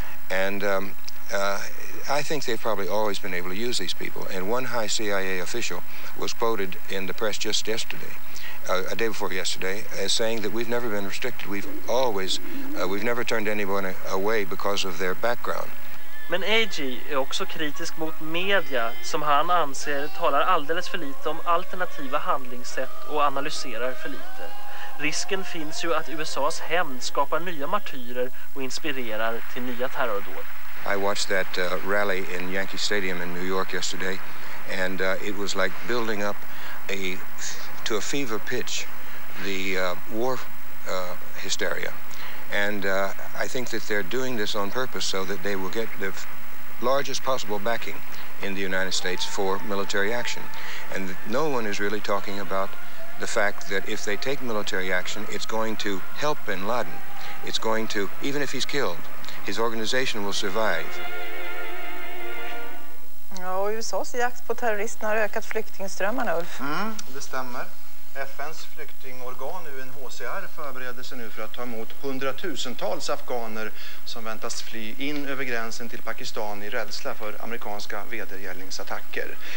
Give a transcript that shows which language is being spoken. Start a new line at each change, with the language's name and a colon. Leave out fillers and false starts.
English: And I think they've probably always been able to use these people. And one high CIA official was quoted in the press just yesterday, a day before yesterday, as saying that we've never been restricted. We've never turned anyone away because of their background.
Swedish: Men AG är också kritisk mot media som han anser talar alldeles för lite om alternativa handlingssätt och analyserar för lite. Risken finns ju att USA:s hämnd skapar nya martyrer och inspirerar till nya terrordåd.
English: I watched that rally in Yankee Stadium in New York yesterday and it was like building up to a fever pitch the war hysteria. And I think that they're doing this on purpose so that they will get the largest possible backing in the United States for military action. And no one is really talking about the fact that if they take military action, it's going to help bin Laden. It's going to, even if he's killed, his organization will survive.
Swedish: Ja, och USA:s jakt på terroristerna har ökat flyktingströmmarna, Ulf. Det stämmer. FN:s flyktingorgan UNHCR förbereder sig nu för att ta emot hundratusentals afghaner som väntas fly in över gränsen till Pakistan i rädsla för amerikanska vedergällningsattacker.